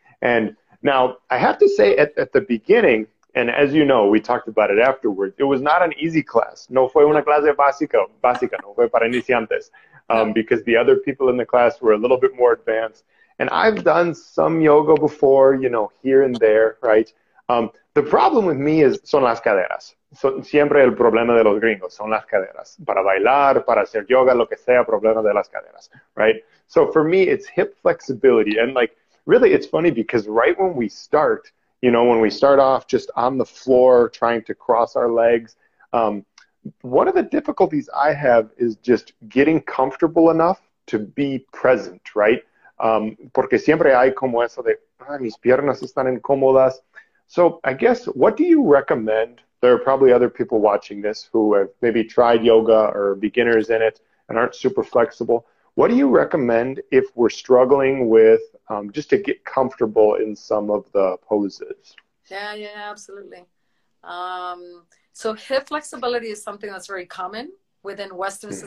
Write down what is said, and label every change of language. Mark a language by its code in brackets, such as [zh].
[en] And now I have to say at the beginning, and as you know, we talked about it afterwards, it was not an easy class. [es] No fue una clase básica, no fue para iniciantes, [en] because the other people in the class were a little bit more advanced. And I've done some yoga before, you know, here and there, right? The problem with me is, [es] son las caderas. So, siempre el problema de los gringos, son las caderas. Para bailar, para hacer yoga, lo que sea, problema de las caderas, right? [en] So for me, it's hip flexibility. And like, really, it's funny because right when we start, you know, when we start off just on the floor trying to cross our legs, one of the difficulties I have is just getting comfortable enough to be present, right? [es] Porque siempre hay como eso de, mis piernas están incómodas. [en] So I guess, what do you recommend? There are probably other people watching this who have maybe tried yoga or beginners in it and aren't super flexible. What do you recommend if we're struggling with just to get comfortable in some of the poses? Yeah, absolutely. So hip flexibility is something that's very common within Western mm-hmm.